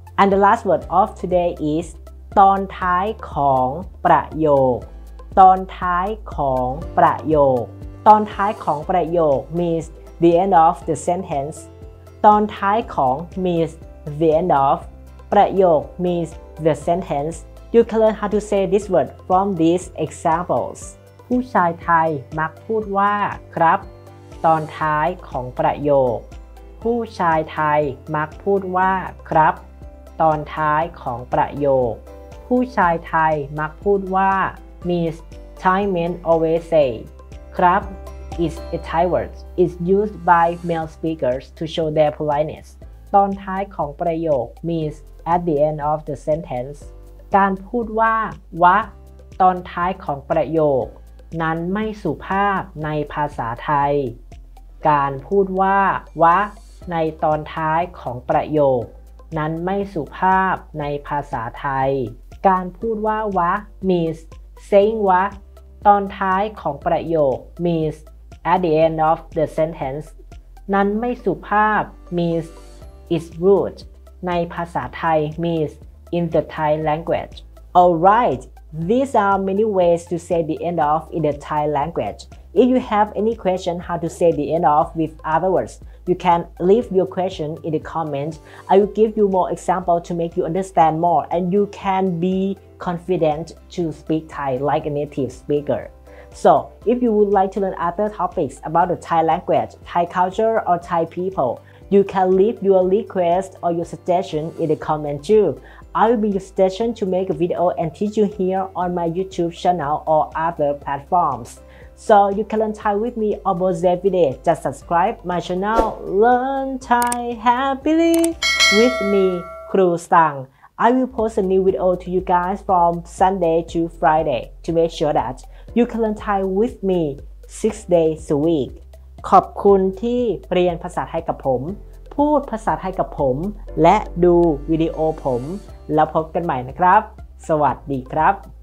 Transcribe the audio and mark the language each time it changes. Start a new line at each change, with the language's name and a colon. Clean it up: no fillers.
English: And the last word of today is
Thai: ตอนท้ายของประโยคตอนท้ายของประโยคตอนท้ายของประโยค
English: means the end of the sentence.
Thai: ตอนท้ายของ
English: means the end of
Thai: ประโยค
English: means the sentence. You can learn how to say this word from these examples.
Thai: ผู้ชายไทยมักพูดว่าครับตอนท้ายของประโยคผู้ชายไทยมักพูดว่าครับตอนท้ายของประโยคผู้ชายไทยมักพูดว่า
English: means Thai men always say ครับ is a Thai word is used by male speakers to show their politeness
Thai: ตอนท้ายของประโยค
English: means at the end of the sentence
Thai: การพูดว่าวะตอนท้ายของประโยคนั้นไม่สุภาพในภาษาไทย การพูดว่าวะในตอนท้ายของประโยคนั้นไม่สุภาพในภาษาไทยการพูดว่าวะ
English: means saying
Thai: วะตอนท้ายของประโยค
English: means at the end of the sentence
Thai: นั้นไม่สุภาพ
English: means is rude
Thai: ในภาษาไทย
English: means in the Thai language alright these are many ways to say the end of in the Thai languageIf you have any question how to say the end of with other words, you can leave your question in the comments. I will give you more examples to make you understand more and you can be confident to speak Thai like a native speaker. So, if you would like to learn other topics about the Thai language, Thai culture or Thai people, you can leave your request or your suggestion in the comments too. I will be your suggestion to make a video and teach you here on my YouTube channel or other platforms. So you can learn Thai with me almost every day. Just subscribe my channel, Learn Thai Happily with me, Kru Sang. I will post a new video to you guys from Sunday to Friday to make sure that you can learn Thai with me 6 days a week.
Thai: ขอบคุณที่เรียนภาษาไทยกับผมพูดภาษาไทยกับผมและดูวิดีโอผมแล้วพบกันใหม่นะครับสวัสดีครับ